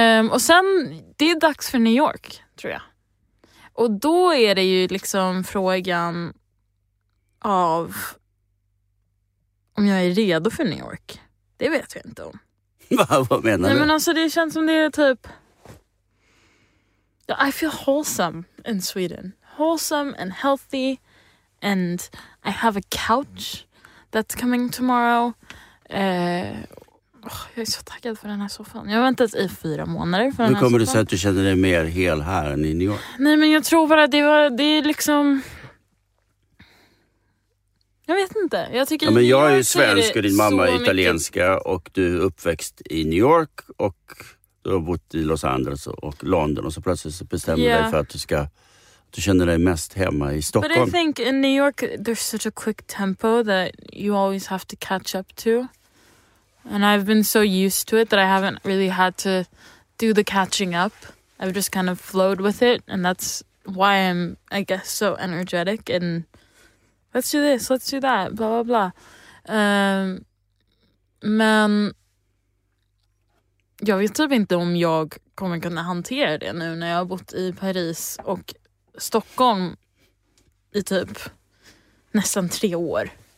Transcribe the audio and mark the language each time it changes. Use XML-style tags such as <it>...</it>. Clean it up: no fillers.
<sv>Och sen, det är dags för New York, tror jag. Och då är det ju liksom frågan av om jag är redo för New York. Det vet jag inte om. Vad menar du? Nej, men alltså det känns som det är typ</sv> <en>I feel wholesome in Sweden. Wholesome and healthy and I have a couch that's coming tomorrow.</en> <sv>Jag är så taggad för den här soffan. Jag har väntat i 4 månader för nu den här. Nu kommer soffan. Du säga att du känner dig mer hel här än i New York? Nej, men jag tror bara att det är liksom... Jag vet inte. Jag tycker ja, men jag är ju svensk och din mamma är italienska. Mycket. Och du är uppväxt i New York. Och du har bott i Los Angeles och London. Och så plötsligt så bestämmer du dig för att du ska... Du känner dig mest hemma i Stockholm.</sv> <en>But I think in New York there's such a quick tempo that you always have to catch up to. And I've been so used to it that I haven't really had to do the catching up. I've just kind of flowed with it. And that's why I'm, I guess, so energetic. And let's do this, let's do that, blah, blah, blah.</en> <sv>Men jag vet typ inte om jag kommer kunna hantera det nu när jag har bott i Paris och Stockholm i typ nästan 3 år.</sv>